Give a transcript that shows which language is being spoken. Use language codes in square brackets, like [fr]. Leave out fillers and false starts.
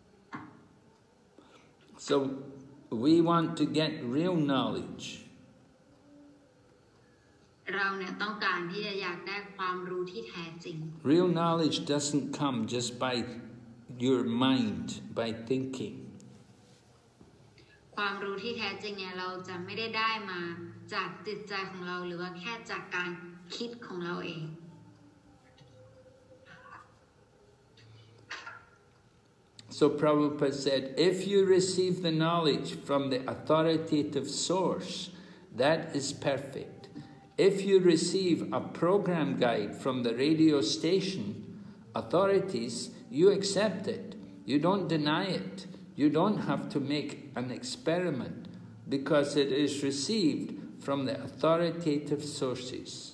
[en] So we want to get real knowledge [th] เราเนี่ยต้องการที่จะอยากได้ความรู้ที่แท้จริง [en] Real knowledge doesn't come just by your mind by thinking [th] ความรู้ที่แท้จริงเนี่ยเราจะไม่ได้ได้มาจากจิตใจของเราหรือว่าแค่จากการคิดของเราเอง [en] So Prabhupada said if you receive the knowledge from the authoritative source that is perfect if you receive a program guide from the radio station authorities you accept it you don't deny itYou don't have to make an experiment because it is received from the authoritative sources.